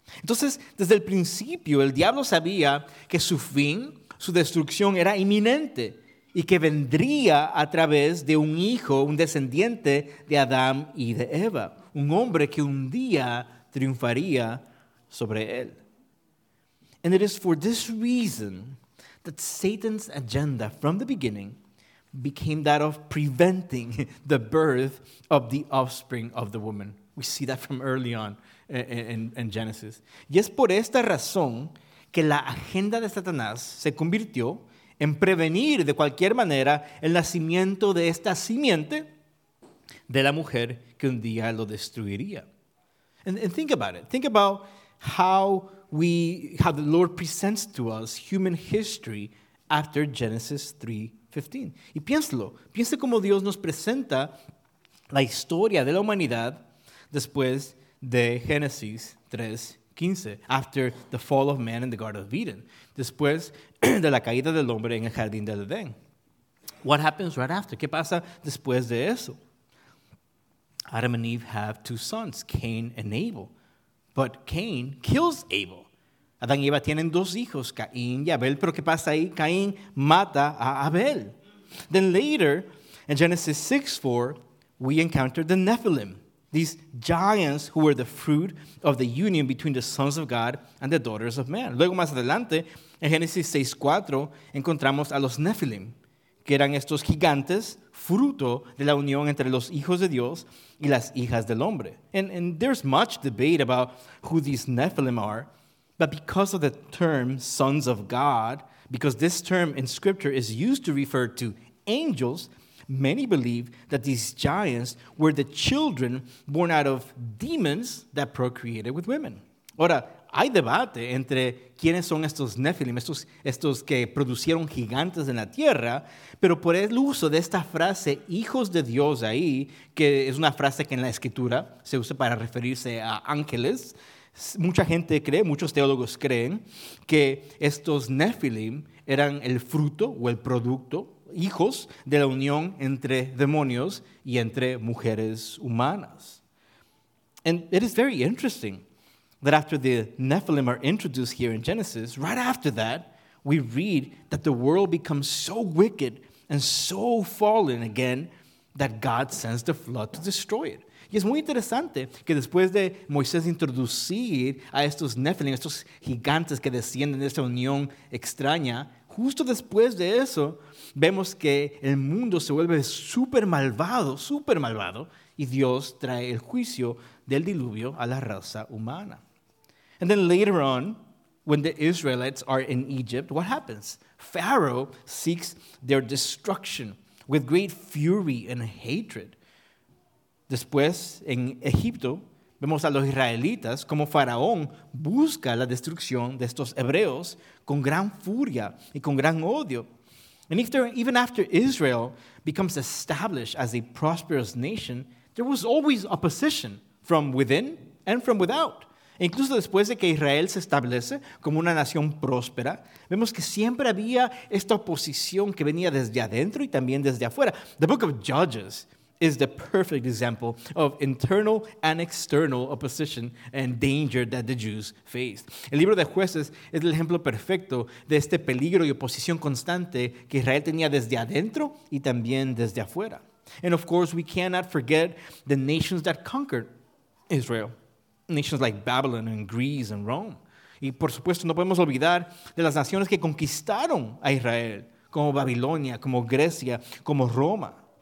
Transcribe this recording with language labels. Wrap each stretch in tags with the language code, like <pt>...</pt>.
<es>Entonces, desde el principio, el diablo sabía que su fin, su destrucción era inminente y que vendría a través de un hijo, un descendiente de Adán y de Eva, un hombre que un día triunfaría sobre él.</es> <en>And it is for this reason that Satan's agenda from the beginning became that of preventing the birth of the offspring of the woman. We see that from early on in Genesis.</en> <es>Y es por esta razón que la agenda de Satanás se convirtió en prevenir de cualquier manera el nacimiento de esta simiente de la mujer que un día lo destruiría.</es> <en>And think about it. Think about how the Lord presents to us human history after Genesis 3:15.</en> <es>Y piénselo. Piense cómo Dios nos presenta la historia de la humanidad después de Génesis 3:15,</es> <en>after the fall of man in the Garden of Eden,</en> <es>después de la caída del hombre en el Jardín del Edén.</es> <en>What happens right after?</en> <es>¿Qué pasa después de eso?</es> <en>Adam and Eve have two sons, Cain and Abel. But Cain kills Abel.</en> <es>Adán y Eva tienen dos hijos, Caín y Abel. ¿Pero qué pasa ahí? Caín mata a Abel.</es> <en>Then later, in Genesis 6:4, we encounter the Nephilim, these giants who were the fruit of the union between the sons of God and the daughters of man.</en> <es>Luego, más adelante, en Génesis 6:4, encontramos a los Nephilim, que eran estos gigantes, fruto de la unión entre los hijos de Dios y las hijas del hombre.</es> <en>And there's much debate about who these Nephilim are, but because of the term sons of God, because this term in Scripture is used to refer to angels, many believe that these giants were the children born out of demons that procreated with women.</en> <es>Ahora, hay debate entre quiénes son estos Nephilim, estos que producieron gigantes en la tierra, pero por el uso de esta frase, hijos de Dios ahí, que es una frase que en la Escritura se usa para referirse a ángeles, mucha gente cree, muchos teólogos creen, que estos Nephilim eran el fruto o el producto, hijos de la unión entre demonios y entre mujeres humanas.</es> <en>And it is very interesting that after the Nephilim are introduced here in Genesis, right after that, we read that the world becomes so wicked and so fallen again that God sends the flood to destroy it.</en> <es>Y es muy interesante que después de Moisés introducir a estos Nephilim, estos gigantes que descienden de esta unión extraña, justo después de eso, vemos que el mundo se vuelve súper malvado, y Dios trae el juicio del diluvio a la raza humana.</es> <en>And then later on, when the Israelites are in Egypt, what happens? Pharaoh seeks their destruction with great fury and hatred.</en> <es>Después, en Egipto, vemos a los israelitas como Faraón busca la destrucción de estos hebreos con gran furia y con gran odio.</es> <en>And even after Israel becomes established as a prosperous nation, there was always opposition from within and from without.</en> <es>E incluso después de que Israel se establece como una nación próspera, vemos que siempre había esta oposición que venía desde adentro y también desde afuera.</es> <en>The book of Judges is the perfect example of internal and external opposition and danger that the Jews faced.</en> <es>El libro de Jueces es el ejemplo perfecto de este peligro y oposición constante que Israel tenía desde adentro y también desde afuera.</es> <en>And of course, we cannot forget the nations that conquered Israel. Nations like Babylon and Greece and Rome.</en> <es>Y por supuesto, no podemos olvidar de las naciones que conquistaron a Israel, como Babilonia, como Grecia, como Roma.</es>